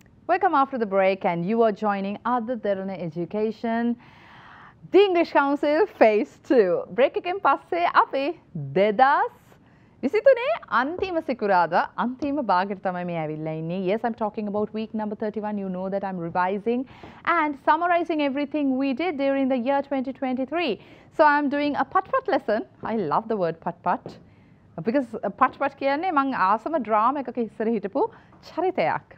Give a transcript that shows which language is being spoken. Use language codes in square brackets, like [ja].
[en] Welcome after the break, and you are joining Adha Derana Education, the English Council Phase 2. Break again, [si] passe api dedas. විසිතුනේ අන්තිම සිකුරාද අන්තිම භාගයට තමයි මේ ඇවිල්ලා ඉන්නේ. [en] Yes, I'm talking about week number 31. You know that I'm revising and summarizing everything we did during the year 2023. So I'm doing a patpat lesson. I love the word patpat. Because patpat [si] කියන්නේ මං ආසම drama එකක ඉස්සර හිටපු චරිතයක්.